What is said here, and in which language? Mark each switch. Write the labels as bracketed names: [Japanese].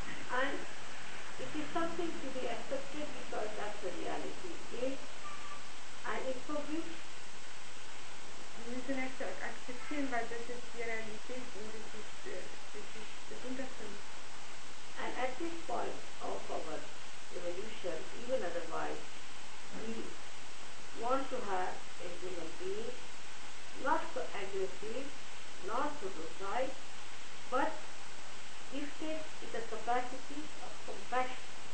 [English] And it is something to be accepted, because that's the reality. And it's for which [German] wir müssen es akzeptieren, weil das ist die Realität und das ist das Unterschied. [English] And at this point of our evolution, even otherwise, we want to have a human being, not so aggressive, not so docile, but gifted with the capacity of compassion.